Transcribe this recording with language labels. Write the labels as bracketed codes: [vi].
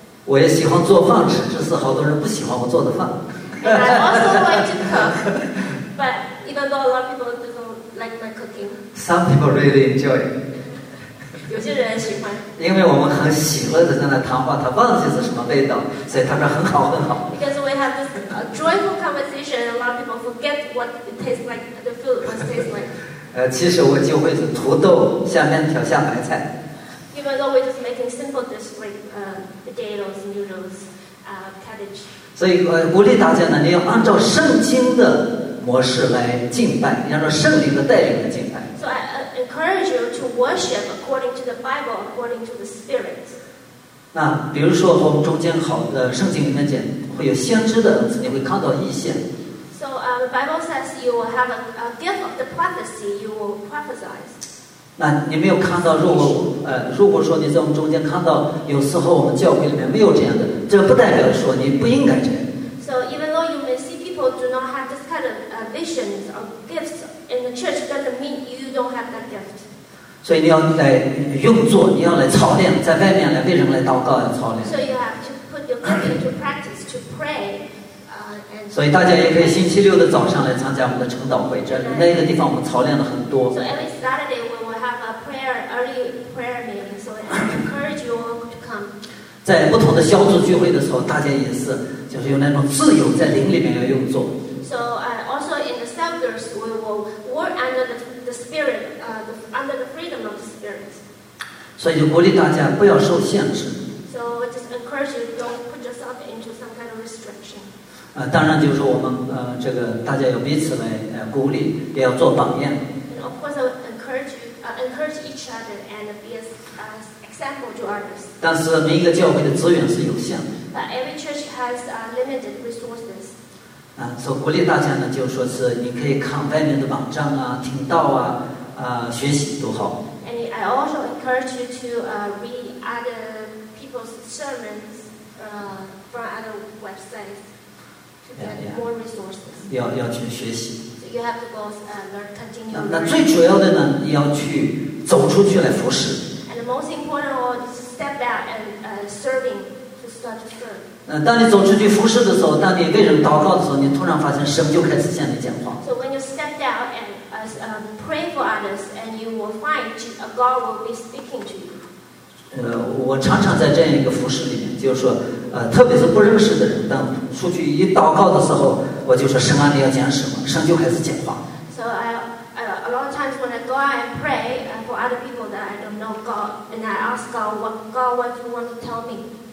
[zh] 我也喜欢做饭吃，只是好多人不喜欢我做的饭。 [en] And I also like to cook, but even though a lot of people don't like my cooking, some people really enjoy. [zh] 有些人喜欢。因为我们很喜乐的在那谈话，他忘记是什么味道，所以他说很好很好。 [en] Because we have this joyful conversation, and a lot of people forget what it tastes like, the food must taste like. [zh] 其实我就会是土豆下面条下白菜。 [en] Even though we're just making simple dishes like potatoes, noodles, cabbage. [zh] 所以鼓励大家呢，你要按照圣经的模式来敬拜，按照圣灵的带领来敬拜。 [en] So I encourage you to worship according to the Bible, according to the Spirit. [zh] 那比如说我们中间好的圣经里面讲会有先知的，你会看到异象。 [en] So the Bible says you will have a gift of the prophecy, you will prophesy. [zh] 那你没有看到，如果说你在我们中间看到，有时候我们教会里面没有这样的，这不代表说你不应该这样。 [en] So even though you may see people do not have this kind of visions or gifts in the church, doesn't mean you don't have that gift. [zh] 所以你要来用作，你要来操练，在外面来为人来祷告要操练。 [en] So you have to put your body into practice to pray. [zh] 所以大家也可以星期六的早上来参加我们的晨祷会，这那个地方我们操练了很多。 [en] So every Saturday we will have a prayer, early prayer meeting, so I encourage you all to come. [zh] 在不同的小组聚会的时候，大家也是就是有那种自由在灵里面要用作。 [en] So also in the cell groups we will work under the spirit, under the freedom of the spirit. [zh] 所以就鼓励大家不要受限制。 [en] So just encourage you don't put yourself into some kind of restriction. [zh] 当然就是我们这个大家要彼此来鼓励，也要做榜样。 [en] And of course, I encourage each other and be an example to others. [zh] 但是每一个教会的资源是有限的。 [en] But every church has limited resources. [zh] 所以鼓励大家呢，就是说是你可以看外面的网站啊、听到啊、学习都好。 [en] And I also encourage you to read other people's sermons from other websites to get more resources. [zh] 要去学习。 [en] So you have to go learn continue. [zh] 那最主要的呢，你要去走出去来服侍。 [en] And the most important of all is step back and serving. To start to serve. [zh] 当你走出去服侍的时候，当你为人祷告的时候，你突然发现神就开始向你讲话。 [en] So when you step down and pray for others, and you will find God will be speaking to you. [zh] 我常常在这样一个服侍里面，就是说，特别是不认识的人，当出去一祷告的时候，我就说神啊，你要讲什么？神就开始讲话。 [en] So a lot of times when I go out and pray for other people that I don't know God, and I ask God, what do you want to tell me?